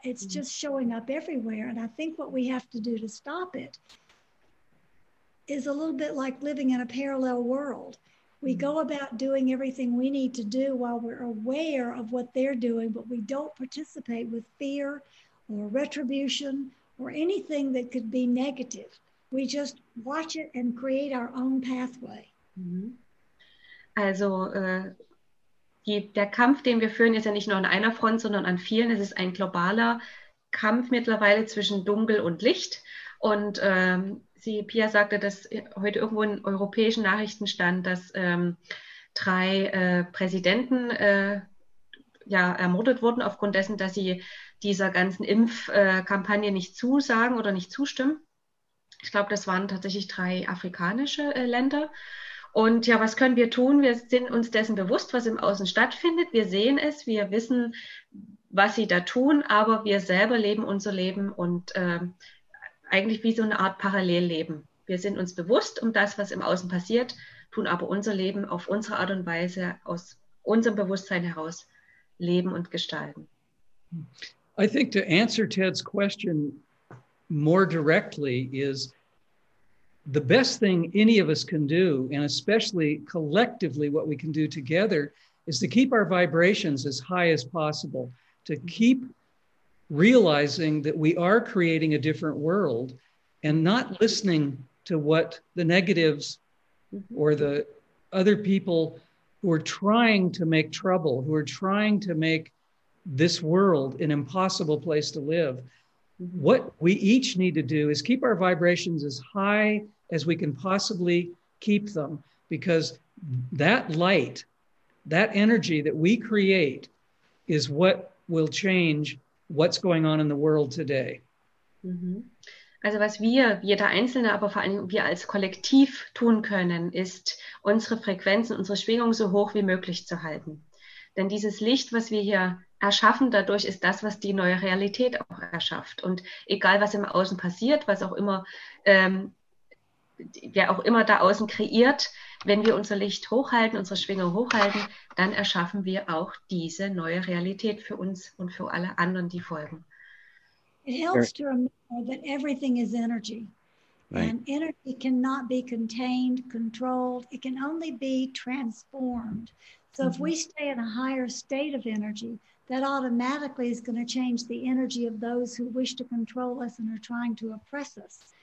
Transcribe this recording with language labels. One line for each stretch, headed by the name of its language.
English: It's just showing up everywhere. And I think what we have to do to stop it is a little bit like living in a parallel world. We go about doing everything we need to do while we're aware of what they're doing, but we don't participate with fear or retribution or anything that could be negative. We just watch it and create our own pathway.
German: Also, der Kampf, den wir führen, ist ja nicht nur an einer Front, sondern an vielen. Es ist ein globaler Kampf mittlerweile zwischen Dunkel und Licht. Und Pia sagte, dass heute irgendwo in europäischen Nachrichten stand, dass drei Präsidenten ermordet wurden aufgrund dessen, dass sie dieser ganzen Impfkampagne nicht zusagen oder nicht zustimmen. Ich glaube, das waren tatsächlich drei afrikanische Länder. Und ja, was können wir tun? Wir sind uns dessen bewusst, was im Außen stattfindet. Wir sehen es, wir wissen, was sie da tun, aber wir selber leben unser Leben und eigentlich wie so eine Art Parallelleben. Wir sind uns bewusst um das, was im Außen passiert, tun aber unser Leben auf unsere Art und Weise, aus unserem Bewusstsein heraus leben und gestalten.
English: I think to answer Ted's question more directly is, the best thing any of us can do, and especially collectively what we can do together, is to keep our vibrations as high as possible, to keep realizing that we are creating a different world and not listening to what the negatives or the other people who are trying to make trouble, who are trying to make this world an impossible place to live. What we each need to do is keep our vibrations as high as we can possibly keep them, because that light, that energy that we create is what will change what's going on in the world today.
German: Also was wir, jeder Einzelne, aber vor allem wir als Kollektiv tun können, ist unsere Frequenzen, unsere Schwingung so hoch wie möglich zu halten. Denn dieses Licht, was wir hier erschaffen, dadurch ist das, was die neue Realität auch erschafft. Und egal, was im Außen passiert, was auch immer, wer auch immer da außen kreiert, wenn wir unser Licht hochhalten, unsere Schwingung hochhalten, dann erschaffen wir auch diese neue Realität für uns und für alle anderen, die folgen.
English: It helps to remember that everything is energy. Right. And energy cannot be contained, controlled. It can only be transformed. So if we stay in a higher state of energy, that automatically is going to change the energy of those who wish to control us and are trying to oppress us.